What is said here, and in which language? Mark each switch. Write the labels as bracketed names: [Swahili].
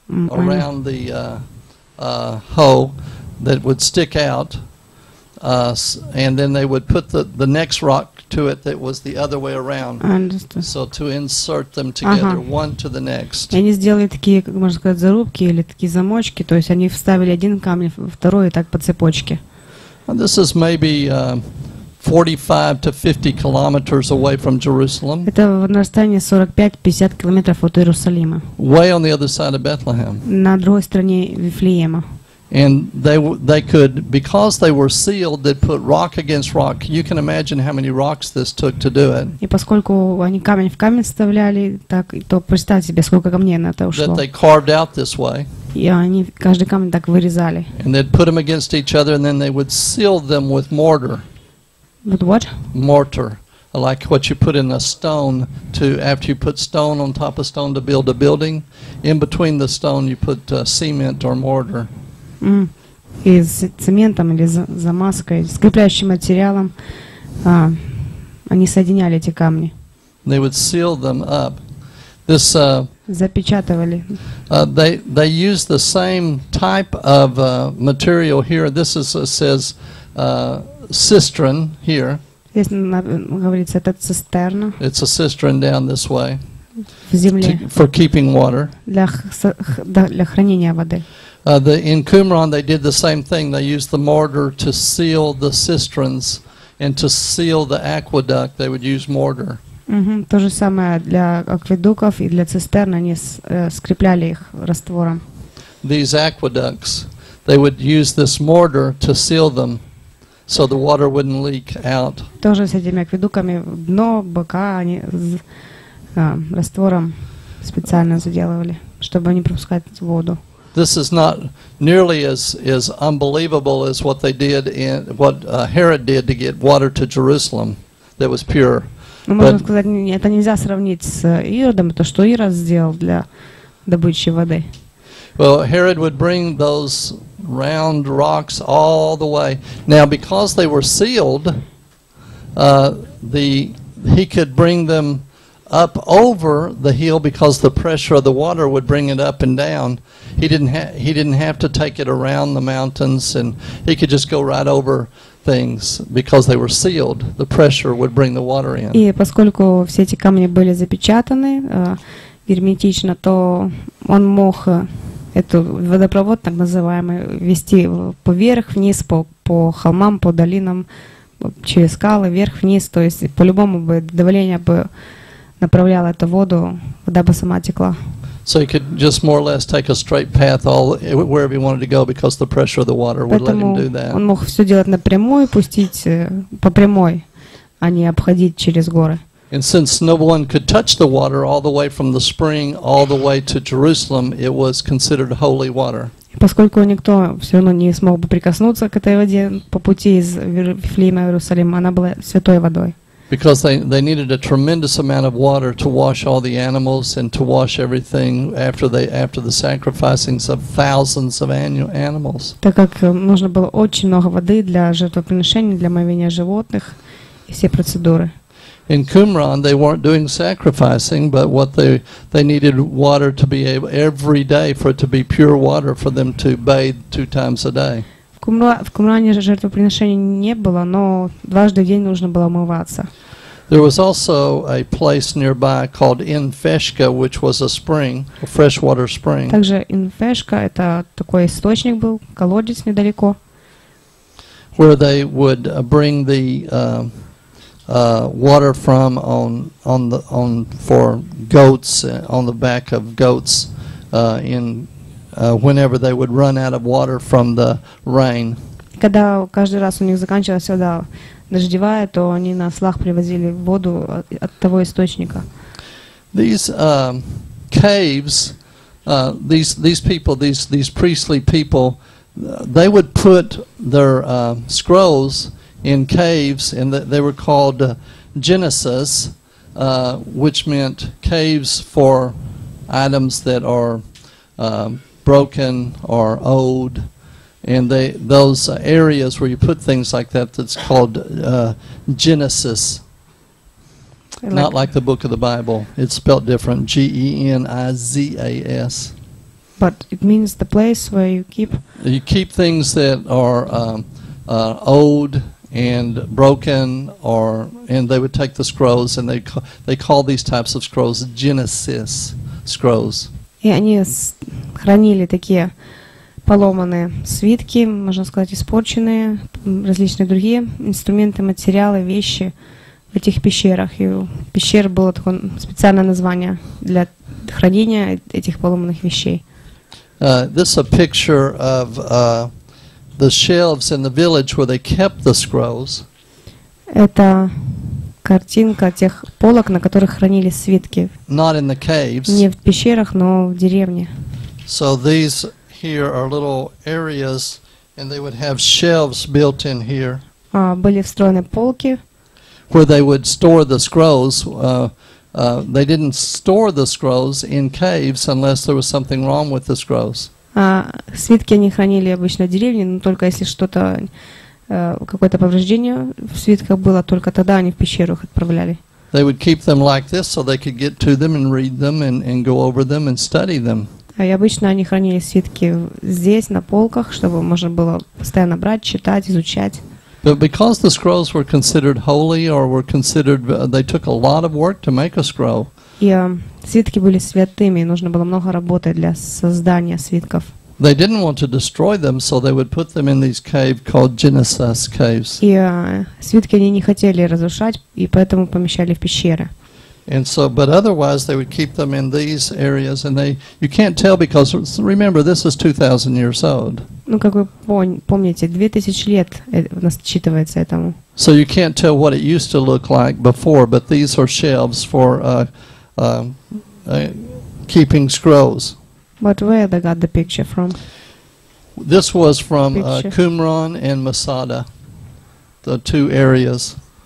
[English] Around the hole that would stick out. And then they would put the next rock to it that was the other way around. So to insert them together, one to the next. [Russian] Они сделали такие, можно сказать, зарубки или такие замочки. То есть они вставили один камень во второй и так по цепочке. [English] This is maybe 45 to 50 kilometers away from Jerusalem. [Russian] Это на расстоянии 45-50 километров от Иерусалима. [English] Way on the other side of Bethlehem. [Russian] На другой стороне Вифлеема. [English] And they could, because they were sealed, they put rock against rock. You can imagine how many rocks this took to do it. [Russian] И поскольку они камень в камень вставляли, так то представь себе, сколько камней на это ушло. [English] That they carved out this way. [Russian] И они каждый камень так вырезали. [English] And they'd put them against each other, and then they would seal them with mortar. With what? Mortar, like what you put in a stone to, after you put stone on top of stone to build a building, in between the stone you put cement or mortar. Mm. [Russian] И с цементом или замазкой, скрепляющим материалом, они соединяли эти камни. [English] They would seal them up. This, [Russian] запечатывали. [English] They use the same type of material here. This is says cistern here. [Russian] Здесь говорится, это цистерна. [English] It's a cistern down this way. [Russian] в земле. [English] For keeping water. [Russian] Для хранения воды. [English] In Qumran they did the same thing. They used the mortar to seal the cisterns and to seal the aqueduct. They would use mortar. Mm-hmm. [Russian] То же самое для акведуков и для цистерн. Они скрепляли их раствором. [English] These aqueducts, they would use this mortar to seal them, so the water wouldn't leak out. [Russian] Тоже с этими акведуками дно, бока они раствором специально заделывали, чтобы не пропускать воду. [English] This is not nearly as unbelievable as what they did in what Herod did to get water to Jerusalem that was pure. [Russian] Но можно сказать, это нельзя сравнить с Иродом, то что Ирод сделал для добычи воды. [English] Well, Herod would bring those round rocks all the way. Now, because they were sealed, he could bring them up over the hill because the pressure of the water would bring it up and down. He didn't have to take it around the mountains, and he could just go right over things because they were sealed. The pressure would bring the water in. [Russian] И поскольку все эти камни были запечатаны герметично, то он мог эту водопровод, так называемый, вести поверх, вниз, по холмам, по долинам, через скалы, вверх-вниз. То есть по-любому бы давление бы направляло эту воду, вода бы сама текла. [English] So he could just more or less take a straight path all wherever he wanted to go because the pressure of the water would let him do that. [Russian] Он мог все делать напрямую, пустить по прямой, а не обходить через горы. [English] And since no one could touch the water all the way from the spring all the way to Jerusalem, it was considered holy water. [Russian] Поскольку никто все равно не смог бы прикоснуться к этой воде по пути из Вифлеема в Иерусалим, она была святой водой. [English] Because they needed a tremendous amount of water to wash all the animals and to wash everything after the sacrificings of thousands of animals. [Russian] Так как нужно было очень много воды для жертвоприношений, для омовения животных и все процедуры. [English] In Qumran they weren't doing sacrificing, but what they needed water to be able every day for it to be pure water for them to bathe two times a day. [Russian] В Кумране жертвоприношений не было, но дважды в день нужно было умываться. [English] There was also a place nearby called Infeshka, which was a spring, a freshwater spring. [Russian] Также Infeshka это такой источник был, колодец недалеко. [English] Where they would bring the water from on for goats on the back of goats whenever they would run out of water from the rain. [Russian] Когда каждый раз у них заканчивалась вода дождевая, то они на ослах привозили воду от того источника. [English] These caves, these people, these priestly people, they would put their scrolls in caves, and they were called genesis, which meant caves for items that are broken or old, and those areas where you put things like that, that's called genesis. Like, not like the book of the Bible, it's spelled different, genizas, but it means the place where you keep things that are old and broken, or and they would take the scrolls and they call these types of scrolls genesis scrolls. [Russian] И они хранили такие поломанные свитки, можно сказать, испорченные, различные другие инструменты, материалы, вещи в этих пещерах. И у пещер было такое специальное название для хранения этих поломанных вещей. [English] This is a picture of the shelves in the village where they kept the scrolls. [Russian] Это картинка тех полок, на которых хранили свитки. [English] Not in the caves. [Russian] Не в пещерах, но в деревне. [English] So these here are little areas, and they would have shelves built in here. [Russian] Были встроены полки. [English] Where they would store the scrolls. They didn't store the scrolls in caves unless there was something wrong with the scrolls. [Russian] Свитки они хранили обычно в деревне, но только если что-то какое-то повреждение в свитках было, только тогда они в пещеру их отправляли. [English] They would keep them like this so they could get to them and read them and go over them and study them. [Russian] И обычно они хранили свитки здесь, на полках, чтобы можно было постоянно брать, читать, изучать. [English] But because the scrolls were considered holy, or were considered, they took a lot of work to make a scroll. [Russian] И свитки были святыми, нужно было много работы для создания свитков. [English] They didn't want to destroy them, so they would put them in these caves called Genesis caves. [Russian] И свитки они не хотели разрушать, и поэтому помещали в пещеры. [English] And so, but otherwise, they would keep them in these areas, and they—you can't tell because remember, this is 2,000 years old. [Russian] Ну, как вы помните, 2000 лет насчитывается этому. [English] So you can't tell what it used to look like before, but these are shelves for keeping scrolls. But where they got the picture from? This was from Qumran and Masada, the two areas.